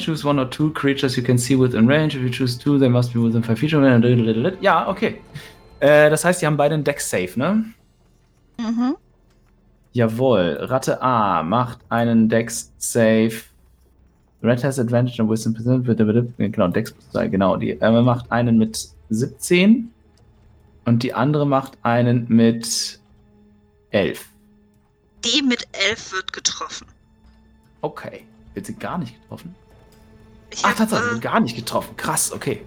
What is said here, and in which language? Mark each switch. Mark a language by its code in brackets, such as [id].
[en] Choose one or two creatures you can see within range. If you choose two, they must be within 5 feet. [de] Ja, okay. Das heißt, die haben beide einen Dex-Save, ne? Mhm. Jawohl. Ratte A macht einen Dex-Save. [en] Red has advantage and wisdom present. [de] Genau, Dex. Genau, die macht einen mit 17. Und die andere macht einen mit 11. Die mit 11 wird getroffen. Okay. Wird sie gar nicht getroffen? Tatsache, wird gar nicht getroffen. Krass, okay.